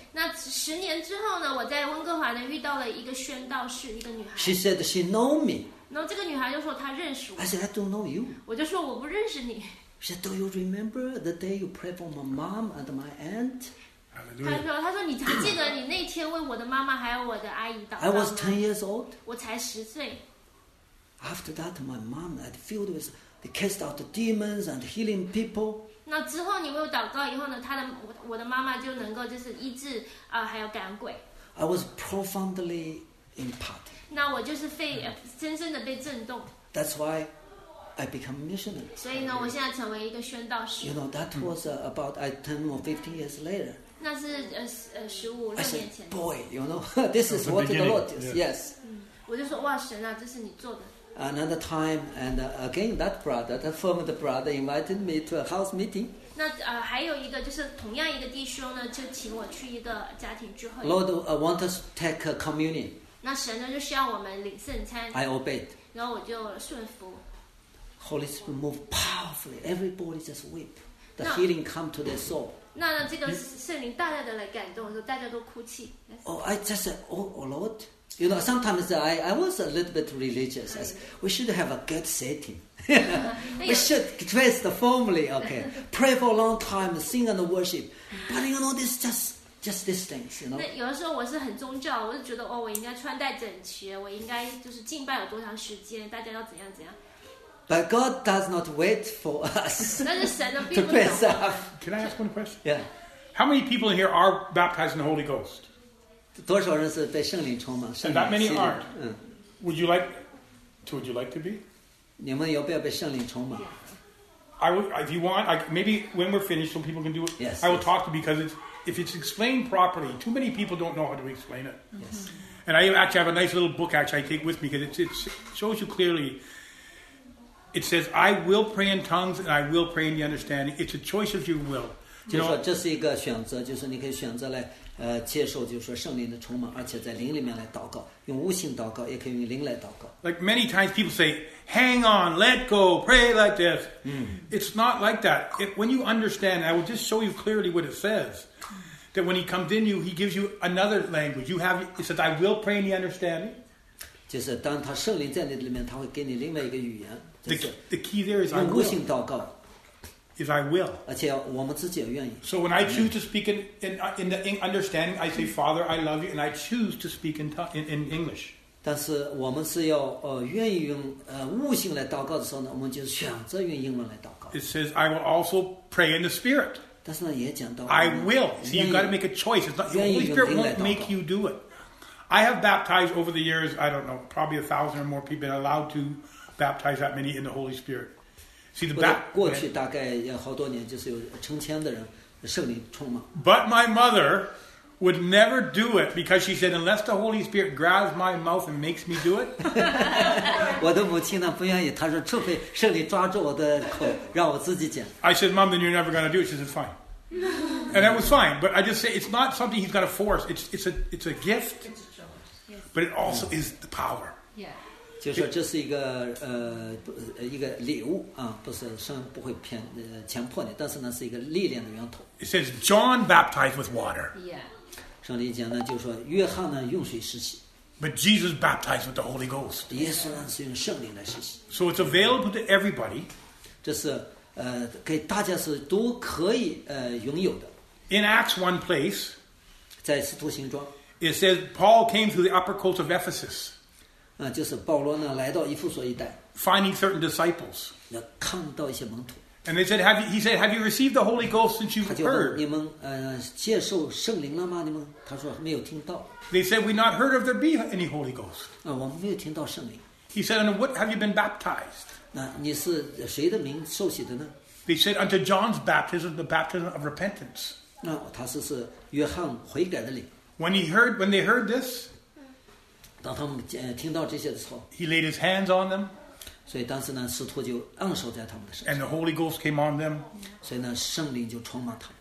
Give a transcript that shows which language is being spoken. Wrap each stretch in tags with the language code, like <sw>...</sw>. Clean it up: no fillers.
<zh>那十年之后呢，我在温哥华呢遇到了一个宣道士，一个女孩。</zh> <en>She said she know me.</en> <zh>然后这个女孩就说她认识我。</zh> <en>I said I don't know you.</en> <zh>我就说我不认识你。</zh> <en>She said, Do you remember the day you prayed for my mom and my aunt?</en> <zh>她说你还记得你那天为我的妈妈还有我的阿姨祷告吗？</zh> <en>I was 10 years old.</en> <zh>我才十岁。</zh> <en>After that, my mom had filled with they cast out the demons and healing people.</en> <zh>那之后你为我祷告以后呢，他的我的妈妈就能够就是医治啊，还有赶鬼。</zh> <en>I was profoundly impacted.</en> <zh>那我就是被深深的被震动。</zh> <en>That's why I become a missionary.</en> <zh>所以呢，我现在成为一个宣道士。</zh> <en>You know that was about I 10 or 15 years later.</en> <zh>那是十五六年前。</zh> <en>I said, Boy, you know this is what the Lord is. Yes.</en> <zh>我就说哇神啊，这是你做的。</zh> <en>Another time, and again, that brother, that former brother, invited me to a house meeting.</en> <zh>那还有一个就是同样一个弟兄呢，就请我去一个家庭聚会。</zh> <en>Lord, want us take a communion.</en> <zh>那神呢就需要我们领圣餐。</zh> <en>I obeyed.</en> <zh>然后我就顺服。</zh> <en>Holy Spirit moved powerfully. Everybody just weep. The healing come to their soul.</en> <zh>那这个圣灵大大的来感动，说大家都哭泣。</zh> <en>Yes. Oh, I just said, Oh Lord. You know, sometimes I was a little bit religious. I said, we should have a good setting. We should dress the formally, okay. Pray for a long time, sing and worship. But you know, this just these things, you know.</en> <zh>那有的时候我是很宗教，我是觉得哦，我应该穿戴整齐，我应该就是敬拜有多长时间，大家要怎样怎样。</zh> <en>But God does not wait for us to dress up. Can I ask one question? Yeah. How many people here are baptized in the Holy Ghost?</en> <zh>多少人是被圣灵充满？</zh> <en>圣灵 And that many aren't. Would you like to be?</en> <zh>你们有必要被圣灵充满</zh> <en>？I would. If you want, maybe when we're finished, some people can do it. Yes. I will talk to you because if it's explained properly, too many people don't know how to explain it. Yes. And I actually have a nice little book actually I take with me because it shows you clearly. It says, "I will pray in tongues and I will pray in the understanding." It's a choice of your will.</en> <zh>You 就是说这是一个选择，就是你可以选择来。接受就是说圣灵的充满，而且在灵里面来祷告，用悟性祷告，也可以用灵来祷告。</zh> <en>Like many times people say, "Hang on, let go, pray like this." It's not like that. When you understand, I will just show you clearly what it says. That when he comes in, he gives you another language. He says, "I will pray in the understanding."</en> <zh>就是当他圣灵在你里面，他会给你另外一个语言。</zh> <en>The key there is</en> <zh>用悟性祷告。</zh> <en>If I will,</en> <zh>而且我们自己也愿意。</zh> <en>So when I choose to speak in understanding, I say, Father, I love you, and I choose to speak in English.</en> <zh>但是我们是要愿意用悟性来祷告的时候呢，我们就选择用英文来祷告。</zh> <en>It says I will also pray in the Spirit.</en> <zh>但是呢，也讲到</zh> <en>I will. See, you've got to make a choice. It's not, the Holy Spirit won't make you do it. I have baptized over the years. I don't know, probably 1,000 or more people been allowed to baptize that many in the Holy Spirit. See, the back,</en> <zh>过去大概有好多年，就是有成千的人圣灵充满。</zh> <en>But my mother would never do it because she said, unless the Holy Spirit grabs my mouth and makes me do it.</en> <zh>我的母亲呢不愿意，她说除非圣灵抓住我的口，让我自己讲。</zh> <en>I said, Mom, then you're never going to do it. She said, fine. And that was fine. But I just say it's not something he's got to force. It's a gift. It's a choice. Yes. But it also is the power. Yeah.</en> <zh>就是说这是一个礼物啊，不是神不会强迫你，但是呢是一个力量的源头。</zh> <en>It says John baptized with water. Yeah.</en> <zh>圣灵讲呢，就说约翰呢用水施洗。</zh> <en>But Jesus baptized with the Holy Ghost.</en> <zh>耶稣呢是用圣灵来施洗。</zh> <en>So it's available to everybody.</en> <zh>这是给大家是都可以拥有的。</zh> <en>In Acts one place,</en> <zh>在使徒行传</zh> <en>it says Paul came through the upper court of Ephesus.</en> <zh>就是保罗呢来到以弗所一带。</zh> <en>Finding certain disciples.</en> <zh>那看到一些门徒。</zh> <en>And they said, "Have you?" He said, "Have you received the Holy Ghost since you've heard?"</en> <zh>他就问你们，接受圣灵了吗？你们，他说没有听到。</zh> <en>They said, "We've not heard of there be any Holy Ghost."</en> <zh>我们没有听到圣灵。</zh> <en>He said, "Under what have you been baptized?"</en> <zh>那你是谁的名受洗的呢</zh> <en>？They said, "Unto John's baptism, the baptism of repentance."</en> <zh>那他说是约翰悔改的礼。</zh> <en>When they heard this,</en> <zh>当他们听到这些的时候</zh> <en>，He laid his hands on them.</en> <zh>所以当时呢，使徒就按手在他们的身上。</zh> <en>And the Holy Ghost came on them.</en> <zh>所以呢，圣灵就充满他们。</zh>